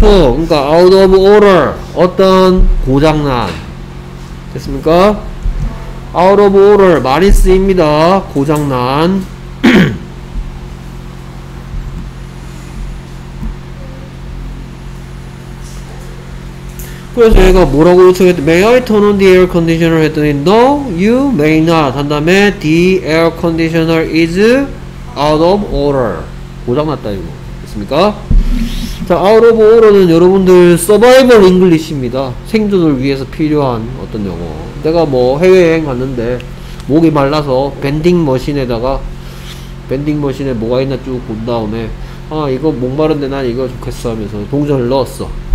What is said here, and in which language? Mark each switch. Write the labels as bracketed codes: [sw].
[ko] 그러니까 아웃 오브 오더 어떤 고장난 됐습니까? 아웃 오브 오더 많이 쓰입니다. 고장난 그래서 얘가 뭐라고 요청했대. [en] May I turn on the air conditioner [ko] 했더니 [en] No, you may not. [ko] 한 다음에 [en] The air conditioner is out of order. [ko] 고장났다 이거 됐습니까? 자, out of order는 여러분들 서바이벌 잉글리시입니다. 생존을 위해서 필요한 어떤 영어. 내가 뭐 해외여행 갔는데 목이 말라서 밴딩 머신에 뭐가 있나 쭉 본 다음에 아 이거 목마른데 난 이거 좋겠어 하면서 동전을 넣었어.